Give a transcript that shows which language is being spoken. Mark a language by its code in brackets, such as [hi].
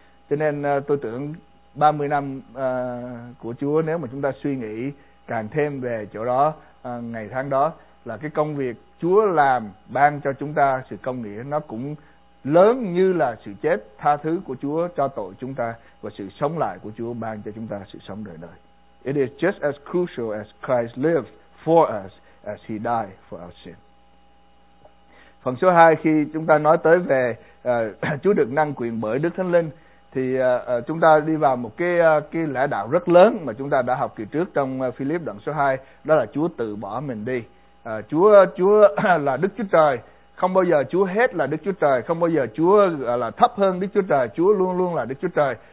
[vi] Cho nên tôi tưởng 30 năm của Chúa, nếu mà chúng ta suy nghĩ càng thêm về chỗ đó, ngày tháng đó, là cái công việc Chúa làm ban cho chúng ta sự công nghĩa nó cũng lớn như là sự chết tha thứ của Chúa cho tội chúng ta, và sự sống lại của Chúa ban cho chúng ta sự sống đời đời. [en] It is just as crucial as Christ lived for us as he died for our sin. [vi] Phần số 2, khi chúng ta nói tới về Chúa được năng quyền bởi Đức Thánh Linh, thì chúng ta đi vào một cái lẽ đạo rất lớn mà chúng ta đã học kỳ trước trong Philip đoạn số 2, đó là Chúa tự bỏ mình đi. Chúa là Đức Chúa Trời, không bao giờ Chúa hết là Đức Chúa Trời, không bao giờ Chúa là thấp hơn Đức Chúa Trời, Chúa luôn luôn là Đức Chúa Trời.